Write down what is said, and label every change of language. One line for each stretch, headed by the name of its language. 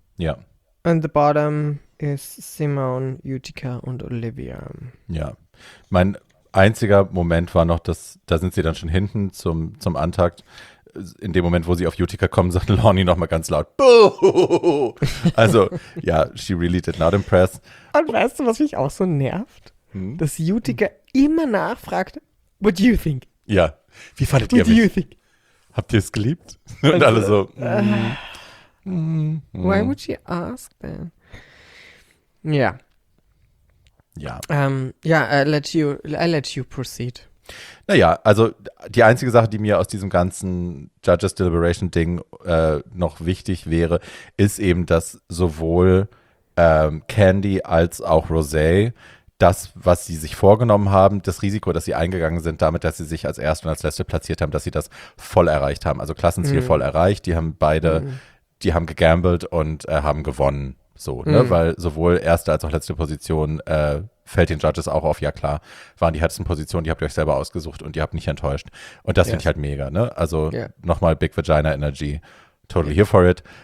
German: Ja.
English: And the bottom is Simone, Utica und Olivia.
German: Ja, mein einziger Moment war noch, dass da sind sie dann schon hinten zum Antakt. In dem Moment, wo sie auf Utica kommen, sagt Lonnie nochmal ganz laut, Boo! Also, ja,
English: she really did not impress.
German: Und weißt du, was mich auch so nervt? Hm? Dass Utica immer nachfragt,
English: what do you think?
German: Ja, wie fandet ihr mich?
English: What do you think?
German: Habt ihr es geliebt? Und also, alle so,
English: Why would she ask then? Ja.
German: Ja.
English: Ja, I let you proceed.
German: Naja, also die einzige Sache, die mir aus diesem ganzen Judges Deliberation Ding noch wichtig wäre, ist eben, dass sowohl Candy als auch Rosé das, was sie sich vorgenommen haben, das Risiko, dass sie eingegangen sind, damit, dass sie sich als Erste und als Letzte platziert haben, dass sie das voll erreicht haben, also Klassenziel voll erreicht, die haben beide, die haben gegambelt und haben gewonnen, so, ne, weil sowohl Erste als auch Letzte Position, fällt den Judges auch auf, ja klar, waren die härtesten Positionen, die habt ihr euch selber ausgesucht und ihr habt nicht enttäuscht. Und das finde ich halt mega, ne? Also nochmal Big Vagina Energy,
English: totally here for it.